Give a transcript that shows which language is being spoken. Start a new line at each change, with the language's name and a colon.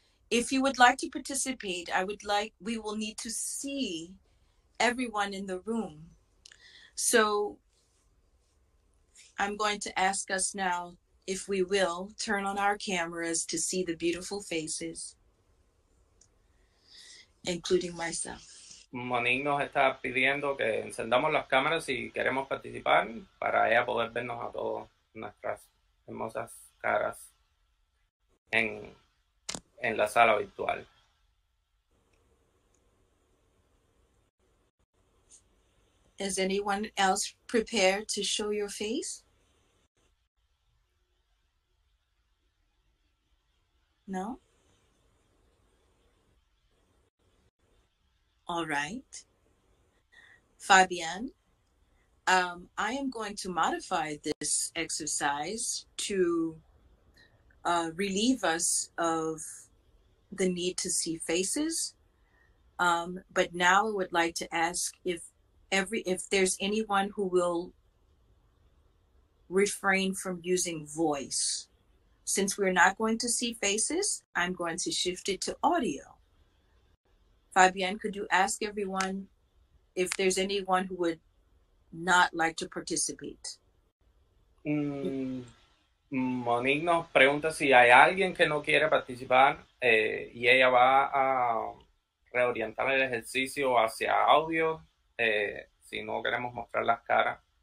English: If you would like to participate, we will need to see everyone in the room. So I'm going to ask us now if we will turn on our cameras to see the beautiful faces, including myself.
Spanish: Monique nos está pidiendo que encendamos las cámaras si queremos participar para ella poder vernos a todos nuestras hermosas caras en la sala virtual.
English: Is anyone else prepared to show your face? No? All right. Fabian, I am going to modify this exercise to relieve us of the need to see faces. But now I would like to ask if there's anyone who will refrain from using voice. Since we're not going to see faces, I'm going to shift it to audio. Fabienne, could you ask everyone if there's anyone who would not like to participate?
Spanish: Monique nos pregunta si hay alguien que no quiere participar y ella va a reorientar el ejercicio hacia audio si no queremos mostrar las caras.